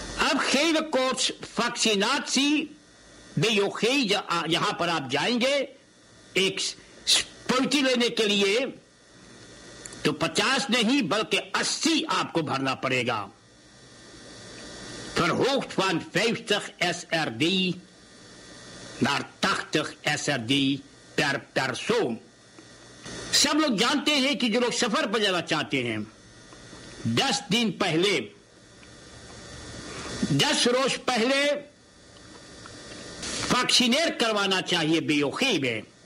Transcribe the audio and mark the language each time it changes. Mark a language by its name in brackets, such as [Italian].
[Hindi] अब खेल कोच फक्सी नाक्सी बेयोखी यहां पर आप जाएंगे एक पल्टी लेने के लिए तो 50 नहीं बल्कि 80 आपको भरना पड़ेगा। [Dutch] Verhoogd van 50 SRD naar 80 SRD per persoon. [Hindi] सब लोग जानते हैं कि जो लोग सफर पर जाना चाहते हैं 10 दिन पहले 10 रोज पहले वैक्सीनेट करवाना चाहिए बेयोखी में।